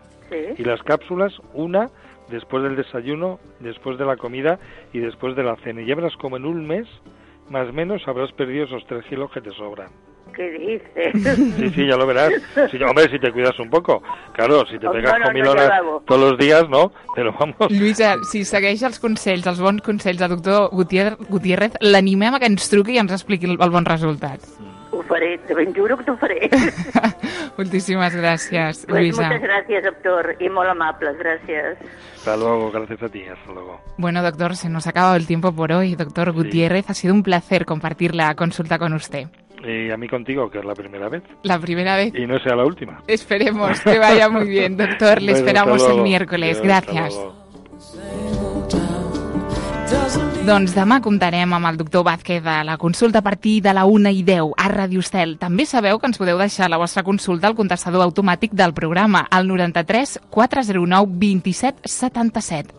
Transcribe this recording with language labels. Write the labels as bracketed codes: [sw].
[es] Y las cápsulas, una después del desayuno, después de la comida y después de la cena. Y ya verás como en un mes, más o menos, habrás perdido esos 3 kilos que te sobran. ¿Qué dices? Sí, sí, ya lo verás. Sí, hombre, si te cuidas un poco. Claro, si te pegas comilonas todos los días, ¿no? Pero vamos. [ca] Lluïsa, si segueix els consells, els bons consells del doctor Gutiérrez, l'animem a que ens truqui i ens expliqui el bon resultat. Ho faré, te ben juro que t'ho faré. Moltíssimes gràcies, Lluïsa. Pues moltes gràcies, doctor, i molt amables, gràcies. [es] Hasta luego, gracias a ti, hasta luego. Bueno, doctor, se nos ha acabado el tiempo por hoy. Doctor Gutiérrez, sí. Ha sido un placer compartir la consulta con usted. Y a mí contigo, que es la primera vez. La primera vez. Y no sea la última. Esperemos que vaya muy bien, doctor. Le esperamos el miércoles. Gracias. [ca] Doncs demà comptarem amb el doctor Vázquez a la consulta a partir de la 1:10 a Ràdio Estel. També sabeu que ens podeu deixar la vostra consulta al contestador automàtic del programa, al 93 409 27 77.